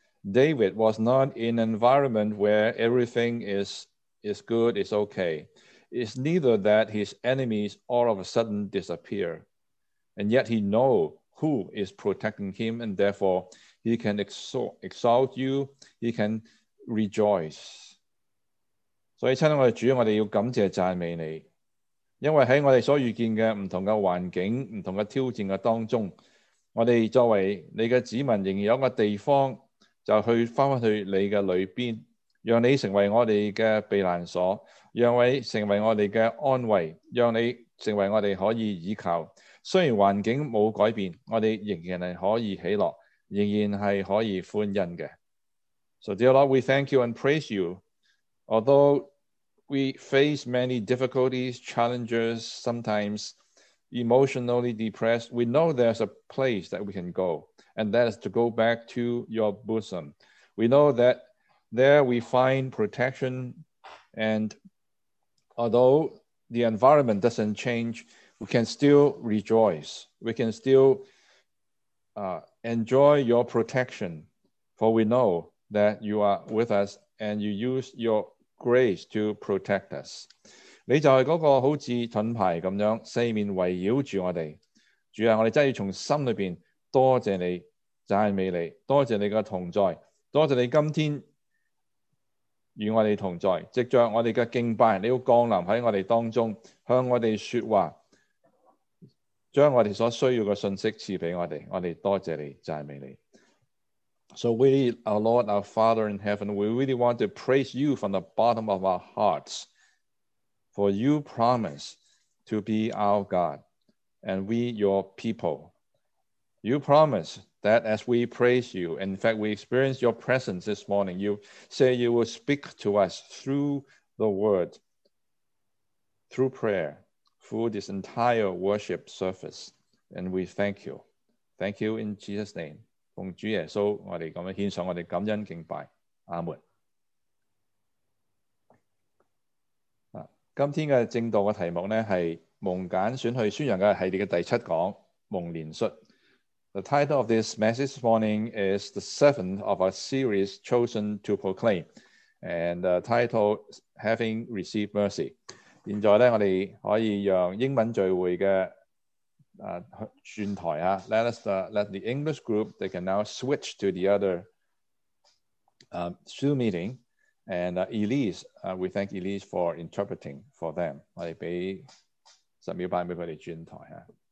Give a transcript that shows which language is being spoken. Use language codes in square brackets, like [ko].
[en] David was not in an environment where everything is good, is okay.It's neither that his enemies all of a sudden disappear. And yet he knows who is protecting him, and therefore he can exalt you, he can rejoice. [zh] 所以亲爱的主，我们要感谢赞美你，因为在我们所遇见的不同的环境、不同的挑战的当中，我们作为你的子民仍然有一个地方就去回去你的里面，让你成为我们的避难所，让你成为我们的安慰，让你成为我们可以倚靠。虽然环境没有改变，我们仍然可以喜乐，仍然是可以欢欣的。 [en] So dear Lord, we thank you and praise you. Although we face many difficulties, challenges, sometimes emotionally depressed, we know there's a place that we can go, and that is to go back to your bosom. We know that there we find protection, and although the environment doesn't change, we can still rejoice. We can still enjoy your protection, for we know that you are with us and you use your grace to protect us. [zh] 你就是那个好像盾牌一样四面围绕着我们。主啊，我们真要从心里面多谢你，赞美你，多谢你的同在，多谢你今天与我们同在，藉着我们的敬拜，你要降临在我们当中，向我们说话，将我们所需要的信息赐给我们。我们多谢你，赞美你。 [en] So we, our Lord, our Father in heaven, we really want to praise you from the bottom of our hearts, for you promise to be our God, and we your people. You promise that as we praise you, in fact, we experience your presence this morning, you say you will speak to us through the word, through prayer, through this entire worship service, and we thank you. Thank you in Jesus' name. [zh] 奉主耶稣，我们这样献上我们感恩敬拜，阿门。今天的正道的题目是蒙拣选去宣扬的系列的第七讲蒙连率。 [en] The title of this message this morning is the seventh of a series chosen to proclaim, and the title having received mercy. [zh] 现在我们可以让英文聚会的转台啊， [en] let the English group, they can now switch to the other Zoom meeting. And Elise, we thank Elise for interpreting for them. [zh] 我们给十秒半给他们转台啊。